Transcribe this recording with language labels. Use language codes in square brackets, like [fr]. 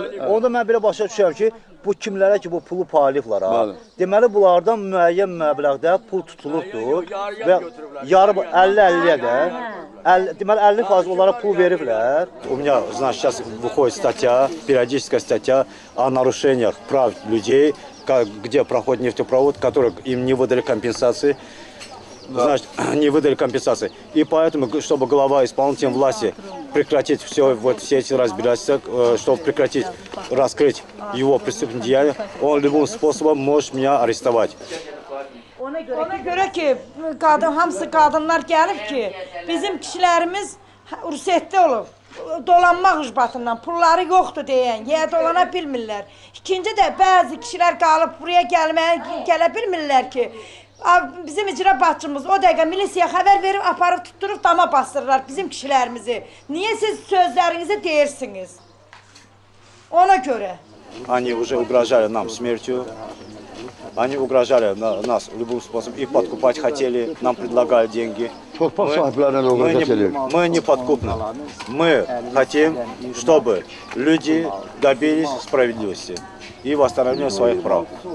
[az] Onda mən belə başa düşürəm ki, bu kimlərə ki bu pulu paylayıblar ha. Deməli bunlardan müəyyən məbləğdə pul tutulubdur. Və yarı 50-50-yə də. Deməli 50% onlara pul veriblər. [ru] У меня, значит, сейчас выходит статья, периодическая статья о нарушениях прав людей, где проходит нефтепровод, который им не выдали компенсации. Да. Значит, не выдали компенсации. И поэтому, чтобы глава исполнительной власти прекратить все, вот, все эти разбирательства, чтобы прекратить раскрыть его преступные деяния, он любым способом может меня арестовать. [az] Ona göre ki, kadın, hamısı kadınlar gelip ki, bizim kişilerimiz ruhsatlı olur. Dolanmaq ucbatından, pulları yoxdur deyən, yəni dolana bilmirlər. İkinci də bəzi kişilər qalıb buraya gələ bilmirlər ki, bizim icra başçımız o dəqiqə milisiyaya xəbər verib, aparıb tutdurub, dama bastırırlar bizim kişilərimizi. Niyə siz sözlərinizi deyirsiniz? Ona görə. [ru] Они уже угрожали нам смертью. Они угрожали нас любым способом и подкупать хотели, нам предлагали деньги. Мы не подкупны. Мы хотим, чтобы люди добились справедливости и восстановления своих прав.